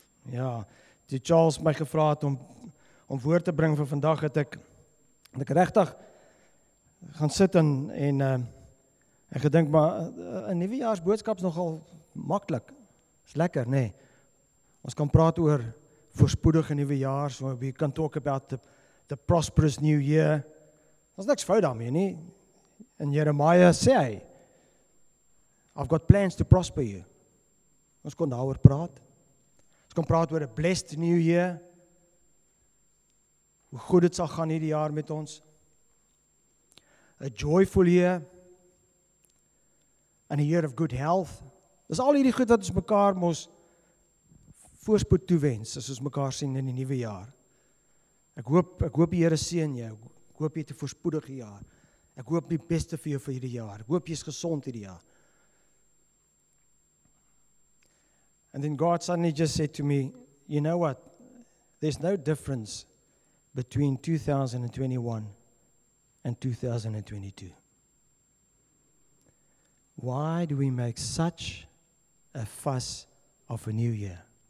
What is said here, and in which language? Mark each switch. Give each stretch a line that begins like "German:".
Afrikaans: Ja, die Charles my gevra het om woord te bring vir vandag het ek regtig gaan sit en gedink maar 'n nuwejaarsboodskap is nogal maklik. Is lekker, nê? Ons kan praat oor voorspoedige nuwe jaar,
English: so we can talk about the prosperous new year.
Afrikaans: Ons niks fout daarmee nie. En Jeremia sê hy,
English: I've got plans to prosper you.
Afrikaans: Ons kon daaroor praat. Ons kon praat oor
English: a blessed new year.
Afrikaans: Hoe goed het sal gaan hierdie jaar met ons.
English: A joyful year. And a year of good health.
Afrikaans: Dis al hierdie goed wat ons mekaar mos voorspoed toewens, as ons mekaar sien in die nuwe jaar. Ek hoop die Here seën jou. Ek hoop jy het 'n voorspoedige jaar. Ek hoop die beste vir jou vir hierdie jaar. Ek hoop jy is gesond hierdie jaar.
English: And then God suddenly just said to me, you know what? There's no difference between 2021 and 2022. Why do we make such a fuss of a new year?